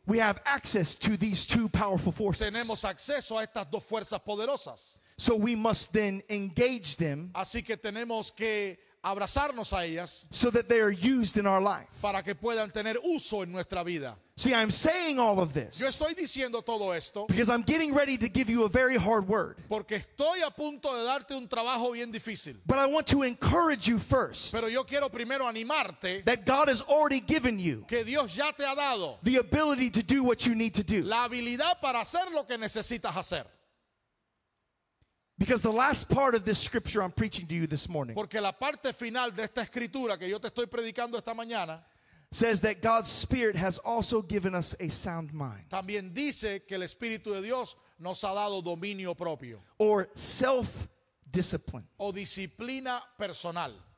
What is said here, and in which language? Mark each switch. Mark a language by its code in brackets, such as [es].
[en] we have access to these two powerful forces. [es] Tenemos acceso a estas dos fuerzas poderosas. [en] So we must then engage them. [es] Así que tenemos que abrazarnos a ellas. [en] So that they are used in our life. [es] Para que puedan tener uso en nuestra vida. [en] See, I'm saying all of this. [es] Yo estoy diciendo todo esto. [en] Because I'm getting ready to give you a very hard word. [es] Porque estoy a punto de darte un trabajo bien difícil. [en] But I want to encourage you first. [es] Pero yo quiero primero animarte. [en] That God has already given you. [es] Que Dios ya te ha dado. [en] The ability to do what you need to do. [es] La habilidad para hacer lo que necesitas hacer. [en] Because the last part of this scripture I'm preaching to you this morning. [es] Porque la parte final de esta escritura que yo te estoy predicando esta mañana. [en] Says that God's Spirit has also given us a sound mind. [es] También dice que el Espíritu de Dios nos ha dado dominio propio. [en] Or self-discipline. [es] O disciplina personal.